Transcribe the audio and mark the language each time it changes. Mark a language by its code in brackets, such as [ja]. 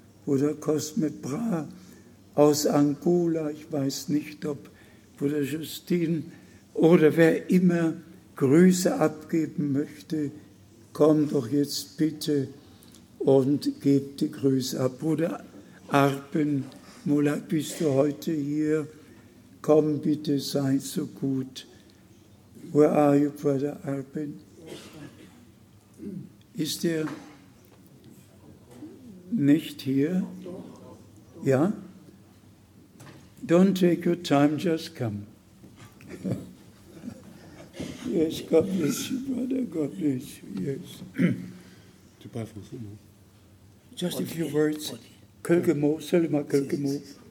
[de] Bruder Cosme Bra aus Angola, ich weiß nicht, ob Bruder Justine oder wer immer Grüße abgeben möchte, komm doch jetzt bitte und gib die Grüße ab. Bruder Arpen Mulat, bist du heute hier? Komm bitte, sei so gut. [en] Where are you, Brother Arpen? [de] Ist er nicht hier? Ja? [en] Don't take your time, just come. Yes, God bless you, brother, God bless you, yes. Just a few words. [fr] Quelques mots, seulement quelques mots.